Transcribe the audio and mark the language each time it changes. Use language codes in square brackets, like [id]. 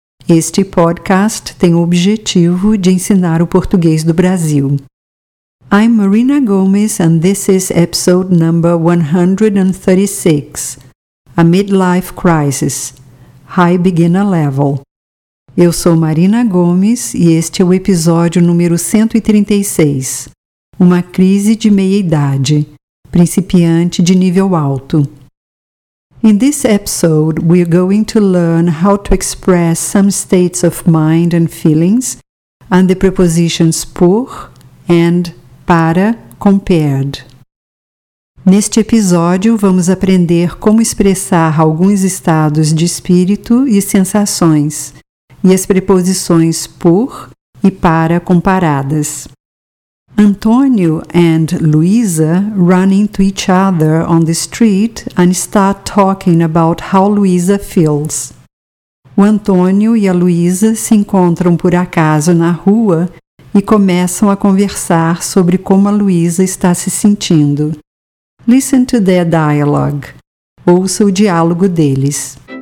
[pt] Este podcast tem o objetivo de ensinar o português do Brasil. [en] I'm Marina Gomes and this is episode number 136, A Midlife Crisis, High Beginner Level. [pt] Eu sou Marina Gomes e este é o episódio número 136. Uma crise de meia-idade, principiante de nível alto. [en] In this episode, we are going to learn how to express some states of mind and feelings and the prepositions por and para compared. [pt] Neste episódio, vamos aprender como expressar alguns estados de espírito e sensações e as preposições por e para comparadas. [en] Antonio and Luisa run into each other on the street and start talking about how Luisa feels. [pt] O Antonio e a Luisa se encontram por acaso na rua e começam a conversar sobre como a Luisa está se sentindo. [en] Listen to their dialogue. [pt] Ouça o diálogo deles.